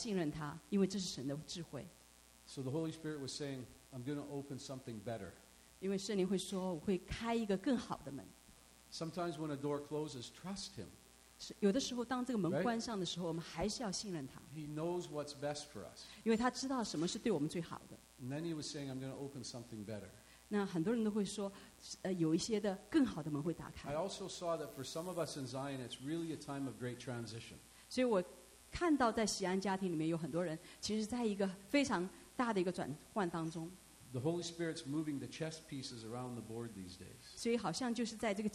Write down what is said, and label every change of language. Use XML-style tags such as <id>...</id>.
<zh>如果这个门关上了，还是要信任他，因为这是神的智慧。</zh> <en>So the Holy Spirit was saying, I'm going to open something better.</en> <zh>因为圣灵会说，我会开一个更好的门。</zh> <en>Sometimes when a door closes, trust him.</en> <zh>有的时候当这个门关上的时候，我们还是要信任他。</zh> <en>He knows what's best for us.</en> <zh>因为他知道什么是对我们最好的。</zh> <en>Many were saying, I'm going to open something better.</en> <zh>那很多人都会说，有一些的更好的门会打开。</zh> <en>I also saw that for some of us in Zion, it's really a time of great transition.</en> <zh>所以我看到在喜安家庭里面有很多人，其实在一个非常大的一个转换当中。</zh> <en>The Holy Spirit's moving the chess pieces around the board these days.</en>